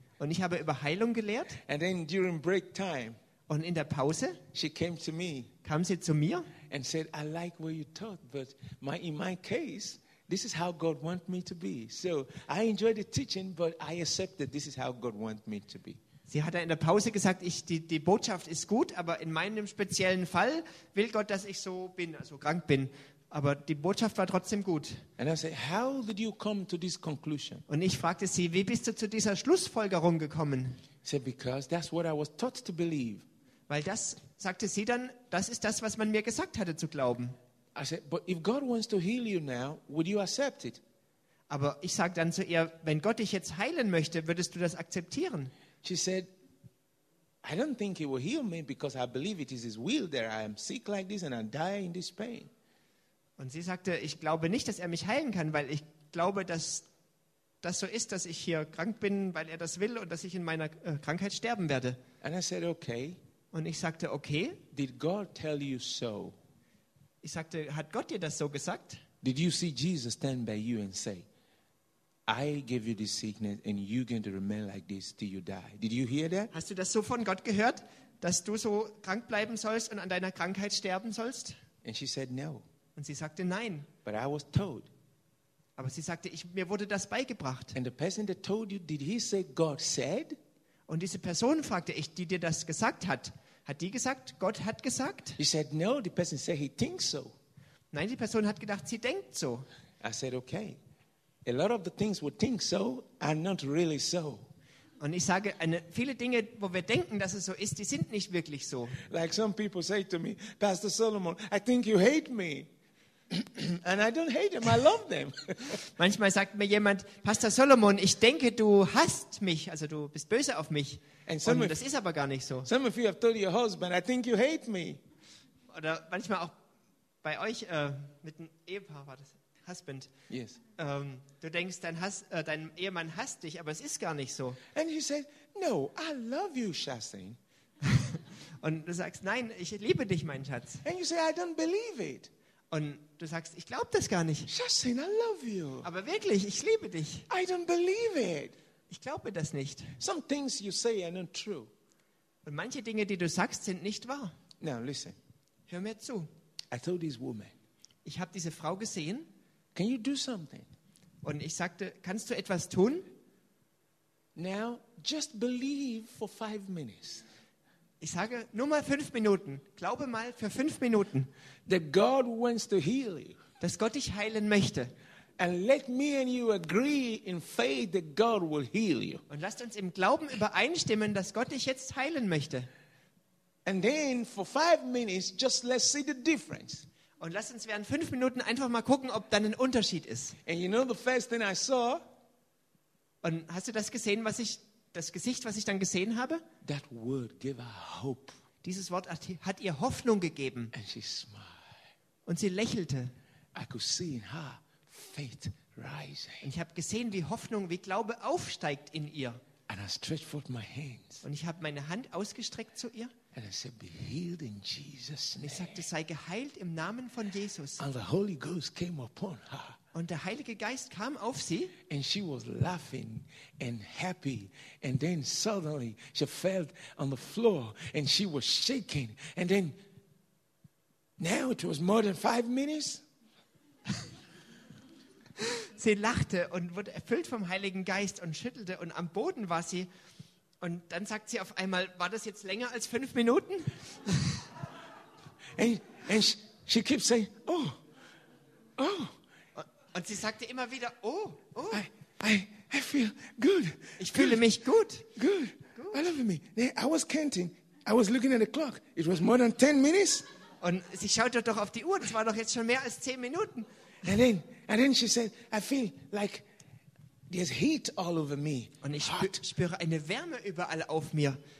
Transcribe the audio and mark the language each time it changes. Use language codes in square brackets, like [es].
[de] Und ich habe über Heilung gelehrt. [en] And then during break time. [de] Und in der Pause. [en] She came to me. [de] Kam sie zu mir. [en] And said, I like what you taught, but in my case. This is how God wants me to be. So I enjoy the teaching, but I accept that this is how God wants me to be. [de] Sie hat in der Pause gesagt, die Botschaft ist gut, aber in meinem speziellen Fall will Gott, dass ich so bin, also krank bin. Aber die Botschaft war trotzdem gut. [en] And I say, how did you come to this conclusion? [de] Und ich fragte sie, wie bist du zu dieser Schlussfolgerung gekommen? [en] She said, because that's what I was taught to believe. [de] Weil das, sagte sie dann, das ist das, was man mir gesagt hatte zu glauben. [en] I said, but if God wants to heal you now, would you accept it? [de] Aber ich sag dann zu ihr, wenn Gott dich jetzt heilen möchte, würdest du das akzeptieren? [en] She said, I don't think he will heal me because I believe it is his will that I am sick like this and I die in this pain. [de] Und sie sagte, ich glaube nicht, dass er mich heilen kann, weil ich glaube, dass das so ist, dass ich hier krank bin, weil er das will und dass ich in meiner Krankheit sterben werde. [en] And I said, okay. [de] Und ich sagte, okay. [en] Did God tell you so? [de] Ich sagte, hat Gott dir das so gesagt? [en] Did you see Jesus stand by you and say, I give you this sickness and you're going to remain like this till you die? Did you hear that? [de] Hast du das so von Gott gehört, dass du so krank bleiben sollst und an deiner Krankheit sterben sollst? [en] And she said no. [de] Und sie sagte nein. [en] But I was told. [de] Aber sie sagte, mir wurde das beigebracht. [en] And the person that told you, did he say God said? [de] Und diese Person fragte ich, die dir das gesagt hat. Hat die gesagt, Gott hat gesagt? [en] He said, no, the person said he thinks so. [de] Nein, die Person hat gedacht, sie denkt so. [en] I said, okay. A lot of the things we think so are not really so. [de] Und ich sage, viele Dinge, wo wir denken, dass es so ist, die sind nicht wirklich so. [en] Like some people say to me, Pastor Solomon, I think you hate me. And I don't hate them, I love them. [de] Manchmal sagt mir jemand, Pastor Solomon, ich denke, du hasst mich, also du bist böse auf mich. Und das ist aber gar nicht so. [en] Some of you have told your husband, I think you hate me. [de] Oder manchmal auch bei euch mit einem Ehepaar war das, Husband. [en] Yes. [de] Du denkst, dein Ehemann hasst dich, aber es ist gar nicht so. [en] And he said, no, I love you, Shasin. [de] Und du sagst, nein, ich liebe dich, mein Schatz. [en] And you say, I don't believe it. [de] Und du sagst, ich glaube das gar nicht. [en] Shasin, I love you. [de] Aber wirklich, ich liebe dich. [en] I don't believe it. [de] Ich glaube das nicht. [en] Some things you say are not true. [de] Und manche Dinge, die du sagst, sind nicht wahr. [en] Now listen. [de] Hör mir zu. [en] I told this woman. [de] Ich habe diese Frau gesehen. [en] Can you do something? [de] Und ich sagte, kannst du etwas tun? [en] Now just believe for 5 minutes. [de] Ich sage, nur mal 5 Minuten. Glaube mal für 5 Minuten. [en] That God wants to heal you. [de] Dass Gott dich heilen möchte. [en] And let me and you agree in faith that God will heal you. [de] Und lasst uns im Glauben übereinstimmen, dass Gott dich jetzt heilen möchte. [en] And then for 5 minutes, just let's see the difference. [de] Und lasst uns während 5 Minuten einfach mal gucken, ob dann ein Unterschied ist. [en] And you know the first thing I saw? [de] Und hast du das gesehen, das Gesicht, was ich dann gesehen habe? [en] That word gave her hope. [de] Dieses Wort hat ihr Hoffnung gegeben. [en] And she smiled. [de] Und sie lächelte. [en] I could see in her faith rising. [de] Und ich habe gesehen, wie Hoffnung, wie Glaube aufsteigt in ihr. [en] And I stretched forth my hands. [de] Und ich habe meine Hand ausgestreckt zu ihr. [en] And I said, be healed in Jesus' name. [de] Und ich sagte, sei geheilt im Namen von Jesus. [en] And the Holy Ghost came upon her. [de] Und der Heilige Geist kam auf sie. [en] And she was laughing and happy. And then suddenly she fell on the floor and she was shaking. And then now it was more than 5 minutes. [de] Sie lachte und wurde erfüllt vom Heiligen Geist und schüttelte und am Boden war sie. Und dann sagt sie auf einmal, war das jetzt länger als 5 Minuten? [en] And she keeps saying, oh, oh. [de] Und sie sagte immer wieder, oh, oh. [en] I feel good. [de] Ich fühle mich gut. [en] Good. I love me. I was counting. I was looking at the clock. It was more than 10 minutes. [de] Und sie schaute doch auf die Uhr. Das war doch jetzt schon mehr als 10 Minuten. [en] And then she said, I feel like there's heat all over me. [de] Und ich spüre eine Wärme überall auf mir.